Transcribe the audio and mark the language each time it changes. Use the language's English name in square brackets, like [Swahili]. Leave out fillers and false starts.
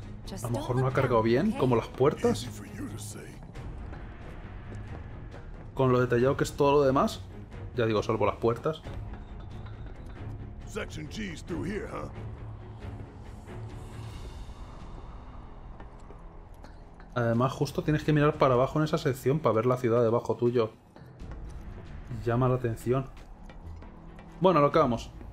[Spanish] A lo mejor no ha cargado bien, como las puertas. Con lo detallado que es todo lo demás, ya digo, salvo las puertas. [English] Section G's through here, huh? [Spanish] Además, justo tienes que mirar para abajo en esa sección para ver la ciudad debajo tuyo. Llama la atención. Bueno, lo acabamos.